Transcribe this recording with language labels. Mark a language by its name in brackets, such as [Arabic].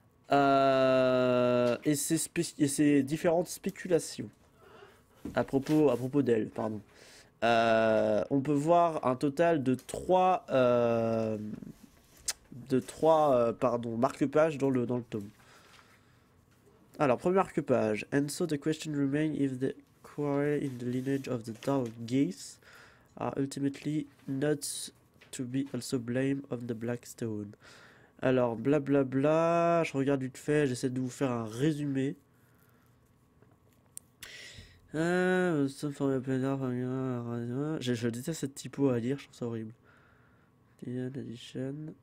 [French] Et ses différentes spéculations à propos d'elle, pardon. On peut voir un total de trois, pardon, marque-pages dans dans le tome. Alors, premier marque-page. [English] And so the question remains if the quarrel in the lineage of the Dark Gates are ultimately not to be also blame of the Black Stone. [French] Alors, blablabla, je regarde vite fait, j'essaie de vous faire un résumé. Je déteste cette typo à lire, je trouve ça horrible. Edition.